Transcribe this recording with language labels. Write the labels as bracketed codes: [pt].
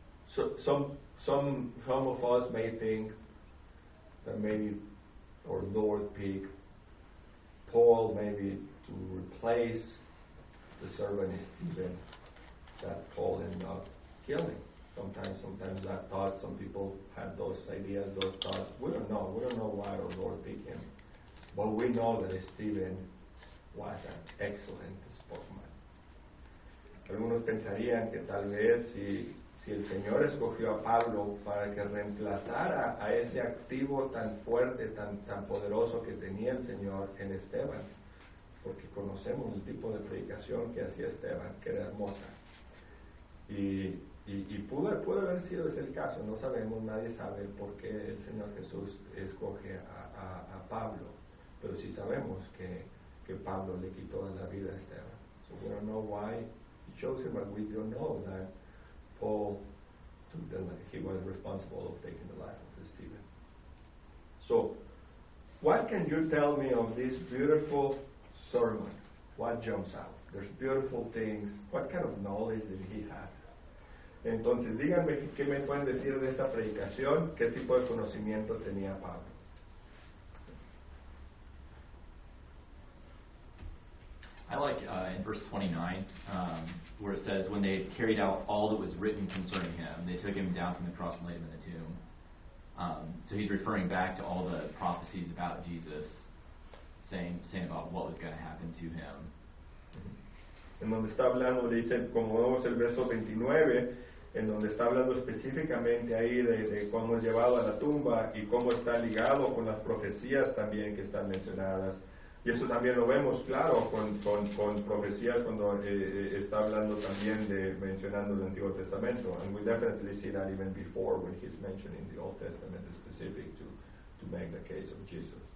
[en] Some of us may think that maybe, or Lord pick Paul maybe to replace the servant Stephen that Paul ended up killing. Sometimes that thought, some people had those ideas, those thoughts. We don't know. We don't know why our Lord picked him. But we know that Stephen was an excellent spokesman. [es] Algunos pensarían que tal vez si el Señor escogió a Pablo para que reemplazara a ese activo tan fuerte, tan poderoso que tenía el Señor en Esteban, porque conocemos el tipo de predicación que hacía Esteban, que era hermosa. Y pudo haber sido ese el caso, no sabemos, nadie sabe por qué el Señor Jesús escoge a Pablo, pero sí sabemos que Pablo le quitó la vida a Esteban. [en] So we don't know why he chose him, but we don't know that Paul took the life. He was responsible of taking the life of Stephen. So, what can you tell me of this beautiful sermon? What jumps out? There's beautiful things. What kind of knowledge did he have? [es] Entonces, díganme qué me pueden decir de esta predicación. ¿Qué tipo de conocimiento tenía Pablo? [en] I like in verse 29, where it says, when they had carried out all that was written concerning him, they took him down from the cross and laid him in the tomb. So he's referring back to all the prophecies about Jesus, saying about what was going to happen to him. [es] En donde está hablando, dice, como vemos el verso 29, en donde está hablando específicamente ahí de cómo es llevado a la tumba y cómo está ligado con las profecías también que están mencionadas. Y eso también lo vemos claro con profecías cuando está hablando también de mencionando el Antiguo Testamento. [en] And we definitely see that even before when he's mentioning the Old Testament specific to make the case of Jesus.